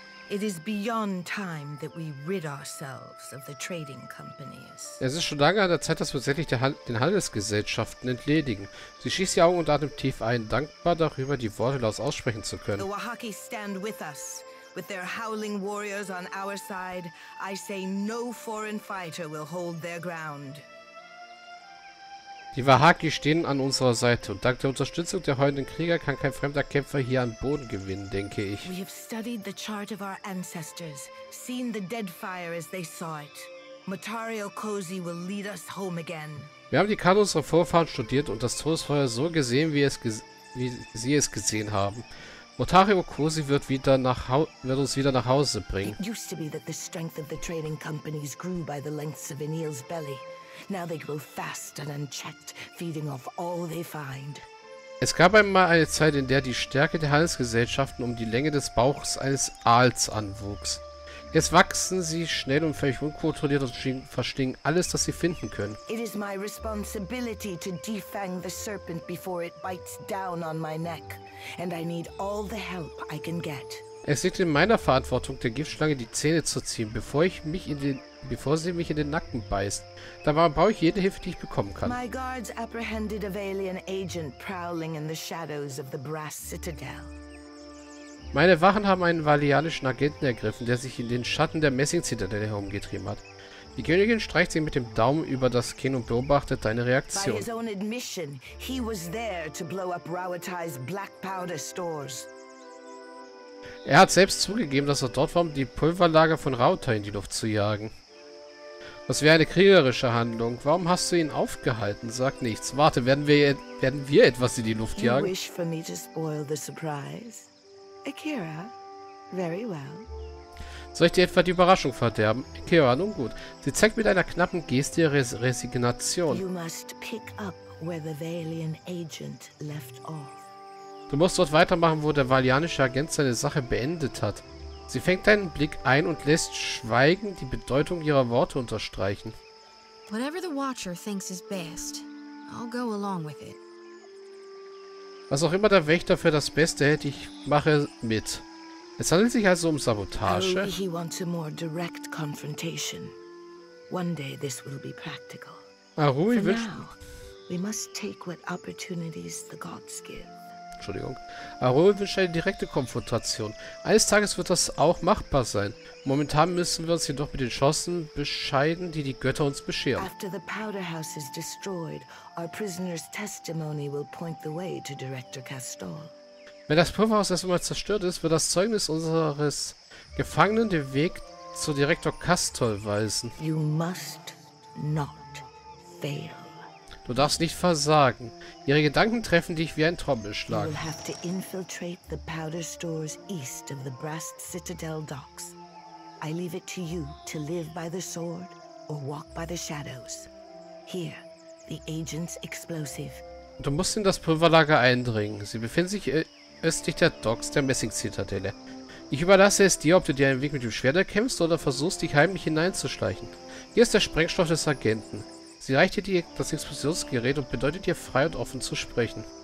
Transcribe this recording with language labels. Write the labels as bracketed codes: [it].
[en] It is beyond time that we rid ourselves of the trading companies. [de] Es ist schon lange an der Zeit, dass wir tatsächlich den Handelsgesellschaften entledigen. Sie schießt die Augen und atmet tief ein, dankbar darüber, die Worte laut aussprechen zu können. [en] The Oaxaca stand with us. With their howling warriors on our side, I say no foreign fighter will hold their ground. [de] Die Wahaki stehen an unserer Seite und dank der Unterstützung der heulenden Krieger kann kein fremder Kämpfer hier an Boden gewinnen, denke ich. [en] We have studied the chart of our ancestors, seen the dead fire as they saw it. Matari Okozie will lead us home again. [de] Wir haben die Karte unserer Vorfahren studiert und das Todesfeuer so gesehen, wie sie es gesehen haben. Motari Okozie wird uns wieder nach Hause bringen. [en] It used to be that the strength of the trading companies grew by the lengths of Anil's belly. Now they grow fast and unchecked, feeding off all they find. [de] Es gab einmal eine Zeit, in der die Stärke der Handelsgesellschaften um die Länge des Bauchs eines Aals anwuchs. Jetzt wachsen sie schnell und völlig unkontrolliert und verschlingen alles, was sie finden können. [en] It is my responsibility to defang the serpent before it bites down on my neck. And I need all the help I can get. [de] Es liegt in meiner Verantwortung, der Giftschlange die Zähne zu ziehen, bevor sie mich in den Nacken beißt. Da brauche ich jede Hilfe, die ich bekommen kann. [en] My guards apprehended a Valian agent prowling in the shadows of the Brass Citadel. [de] Meine Wachen haben einen valianischen Agenten ergriffen, der sich in den Schatten der Messing-Zitadelle herumgetrieben hat. Die Königin streicht sie mit dem Daumen über das Kinn und beobachtet deine Reaktion. [en] By his own admission, he was there to blow up Rauhtai's black powder stores. [de] Er hat selbst zugegeben, dass er dort war, um die Pulverlager von Rauhtai in die Luft zu jagen. Das wäre eine kriegerische Handlung. Warum hast du ihn aufgehalten? Sag nichts. Warte, werden wir etwas in die Luft jagen? [en] You wish for me to spoil the surprise? Akira, very well. [de] Soll ich dir etwa die Überraschung verderben? Akira, nun gut. Sie zeigt mit einer knappen Geste ihre Resignation. [en] You must pick up where the Valian agent left off. [de] Du musst dort weitermachen, wo der valianische Agent seine Sache beendet hat. Sie fängt deinen Blick ein und lässt Schweigen die Bedeutung ihrer Worte unterstreichen. [en] Whatever the Watcher thinks is best, I'll go along with it. [de] Was auch immer der Wächter für das Beste hält, ich mache mit. Es handelt sich also um Sabotage. [en] Oh, he wants a more direct confrontation. One day this will be practical. Arui [de] wünscht. [en] Now, we must take what opportunities the gods give. [de] Entschuldigung. Arui wünscht eine direkte Konfrontation. Eines Tages wird das auch machbar sein. Momentan müssen wir uns jedoch mit den Chancen bescheiden, die die Götter uns bescheren. [en] After the powder house is destroyed, our prisoner's testimony will point the way to Director Castol. [de] Wenn das Pulverhaus erstmal zerstört ist, wird das Zeugnis unseres Gefangenen den Weg zu Direktor Castol weisen. [en] You must not fail. [de] Du darfst nicht versagen. Ihre Gedanken treffen dich wie ein Trommelschlag. [en] You will have to infiltrate the powder stores east of the Brast Citadel docks. I leave it to you to live by the sword or walk by the shadows. Here, the agent's explosive. [de] Du musst in das Pulverlager eindringen. Sie befinden sich östlich der Docks der Messing-Zitadelle. Ich überlasse es dir, ob du dir einen Weg mit dem Schwert erkämpfst oder versuchst, dich heimlich hineinzuschleichen. Hier ist der Sprengstoff des Agenten. Sie reicht dir das Explosionsgerät und bedeutet dir, frei und offen zu sprechen.